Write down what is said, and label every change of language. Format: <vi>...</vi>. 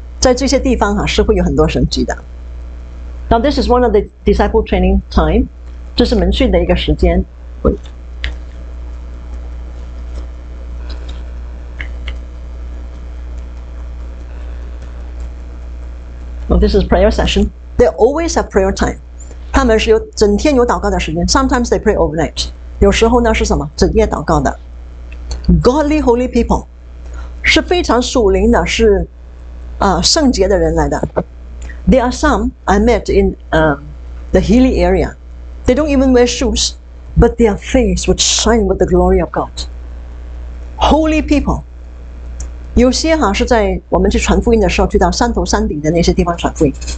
<zh>在这些地方哈，是会有很多神迹的.</zh> <en>Now this is one of the disciple training time.</en> <zh>这是门训的一个时间。</zh> <en>Well, this is prayer session. They always have prayer time.</en> <zh>他们是有整天有祷告的时间.</zh> <en>Sometimes they pray overnight.</en> <zh>有时候呢是什么？整夜祷告的.</zh> <en>Godly, holy people,</en> <zh>是非常属灵的，是圣洁的人来的.</zh> <en>There are some I met in the hilly area. They don't even wear shoes. But their face would shine with the glory of God. Holy people.</en> <zh>有些是在我们去传福音的时候去到山头山顶的那些地方传福音。</zh>